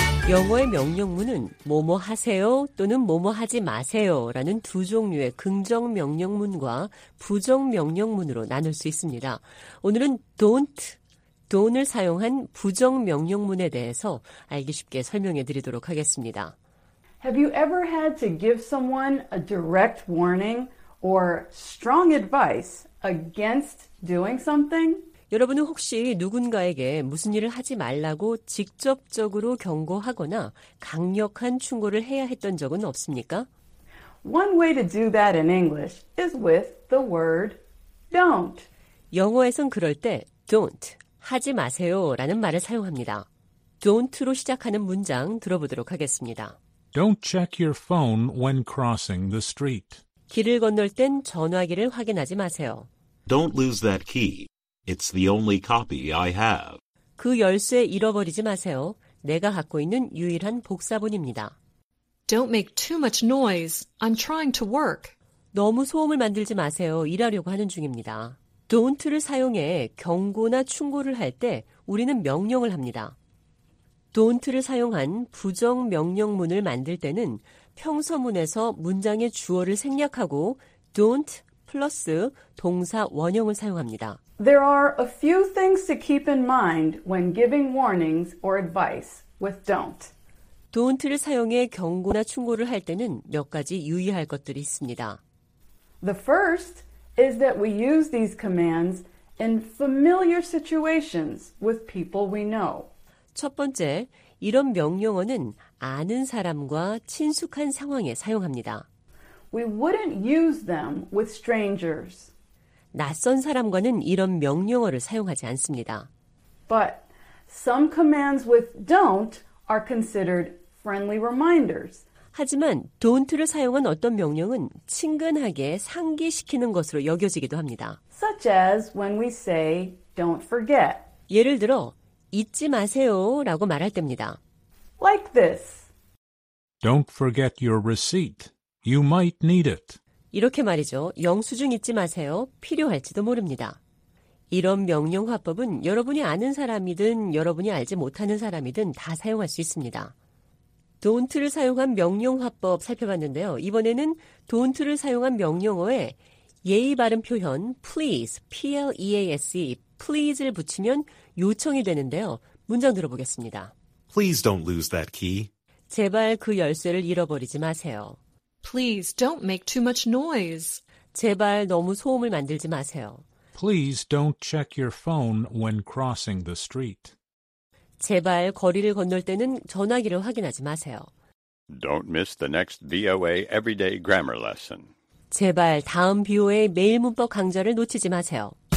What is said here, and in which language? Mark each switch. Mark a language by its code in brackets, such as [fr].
[ko] 영어의 명령문은 뭐뭐 하세요 또는 뭐뭐 하지 마세요라는 두 종류의 긍정 명령문과 부정 명령문으로 나눌 수 있습니다. 오늘은 don't을 사용한 부정 명령문에 대해서 알기 쉽게 설명해 드리도록 하겠습니다. [en] Have you ever had to give someone a direct warning or strong advice against doing something? [ko] 여러분은 혹시 누군가에게 무슨 일을 하지 말라고 직접적으로 경고하거나 강력한 충고를 해야 했던 적은 없습니까? [en] One way to do that in English is with the word don't. [ko] 영어에선 그럴 때 don't, 하지 마세요 라는 말을 사용합니다. don't로 시작하는 문장 들어보도록 하겠습니다. [en] Don't check your phone when crossing the street. [ko] 길을 건널 땐 전화기를 확인하지 마세요. [en] Don't lose that key. It's the only copy I have. [ko] 그 열쇠 잃어버리지 마세요. 내가 갖고 있는 유일한 복사본입니다. [en] Don't make too much noise. I'm trying to work. [ko] 너무 소음을 만들지 마세요. 일하려고 하는 중입니다. Don't를 사용해 경고나 충고를 할 때 우리는 명령을 합니다. Don't를 사용한 부정 명령문을 만들 때는 평서문에서 문장의 주어를 생략하고 don't 플러스 동사 원형을 사용합니다. [en] There are a few things to keep in mind when giving warnings or advice with don't. [ko] Don't를 사용해 경고나 충고를 할 때는 몇 가지 유의할 것들이 있습니다. [en] The first is that we use these commands in familiar situations with people we know. [ko] 첫 번째, 이런 명령어는 아는 사람과 친숙한 상황에 사용합니다. [en] We wouldn't use them with strangers. [ko] 낯선 사람과는 이런 명령어를 사용하지 않습니다. [en] But some commands with don't are considered friendly reminders. [ko] 하지만 don't를 사용한 어떤 명령은 친근하게 상기시키는 것으로 여겨지기도 합니다. [en] Such as when we say don't forget. [ko] 예를 들어 잊지 마세요 라고 말할 때입니다. [en] Like this. Don't forget your receipt. You might need it. [ko] 이렇게 말이죠. 영수증 잊지 마세요. 필요할지도 모릅니다. 이런 명령화법은 여러분이 아는 사람이든 여러분이 알지 못하는 사람이든 다 사용할 수 있습니다. Don't를 사용한 명령화법 살펴봤는데요. 이번에는 Don't를 사용한 명령어에 예의 바른 표현 please, P-L-E-A-S-E, please를 붙이면 요청이 되는데요. 문장 들어보겠습니다. [en] Please don't lose that key. [ko] 제발 그 열쇠를 잃어버리지 마세요. [en] Please don't make too much noise. [ko] 제발 너무 소음을 만들지 마세요. [en] Please don't check your phone when crossing the street. [ko] 제발 거리를 건널 때는 전화기를 확인하지 마세요. [en] Don't miss the next VOA Everyday Grammar Lesson. [ko] 제발 다음 VOA 매일 문법 강좌를 놓치지 마세요.